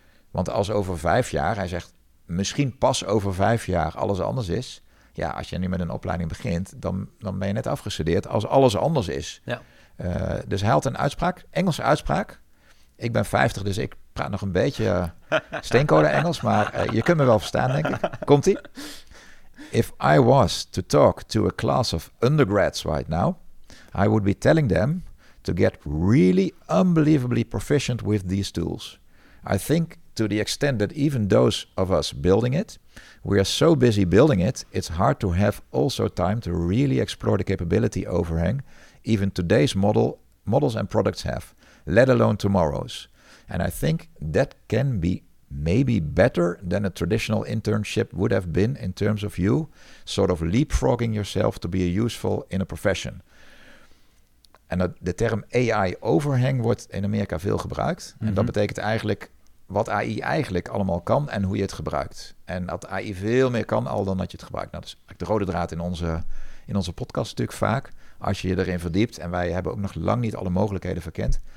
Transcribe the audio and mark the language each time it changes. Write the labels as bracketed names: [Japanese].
[Dutch] Want als over 5 jaar, hij zegt, misschien pas over 5 jaar alles anders is. Ja, als je nu met een opleiding begint, dan ben je net afgestudeerd als alles anders is. Ja. Dus hij had een uitspraak, Engelse uitspraak. ik ben 50, dus ik praat nog een beetje steenkolen Engels, maar je kunt me wel verstaan, denk ik. Komt-ie? [English] If I was to talk to a class of undergrads right now, I would be telling them to get really unbelievably proficient with these tools. I think to the extent that even those of us building it, we are so busy building it, it's hard to have also time to really explore the capability overhang even today's models and products have, let alone tomorrow's. And I think that can be maybe better than a traditional internship would have been in terms of you sort of leapfrogging yourself to be useful in a profession. [Dutch] En de term AI overhang wordt in Amerika veel gebruikt. Mm-hmm. En dat betekent eigenlijk wat AI eigenlijk allemaal kan en hoe je het gebruikt. En dat AI veel meer kan al dan dat je het gebruikt. Nou, dat is eigenlijk de rode draad in onze podcast natuurlijk vaak. Als je je erin verdiept. En wij hebben ook nog lang niet alle mogelijkheden verkend.